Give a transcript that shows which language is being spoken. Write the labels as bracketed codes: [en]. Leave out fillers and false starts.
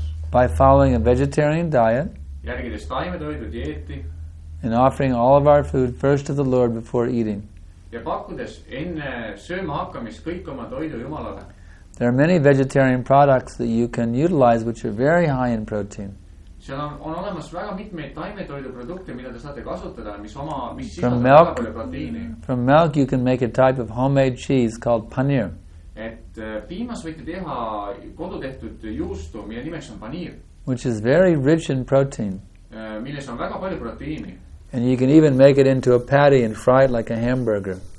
[en] By following a vegetarian diet and offering all of our food first to the Lord before eating. [et] Ja pakkudes enne sööma hakkamist kõik oma toidu Jumalale. [en] There are many vegetarian products that you can utilize which are very high in protein. [et] Seal on olemas väga mitmeid taimetoidu produkte, mida te saate kasutada, mis sisaldab väga palju proteiini. [en] From milk you can make a type of homemade cheese called paneer. [et] Et piimas võite teha kodutehtud juustu, mille nimeks on paneer. [en] Which is very rich in protein. [et] Milles on väga palju proteiini. [en] And you can even make it into a patty and fry it like a hamburger.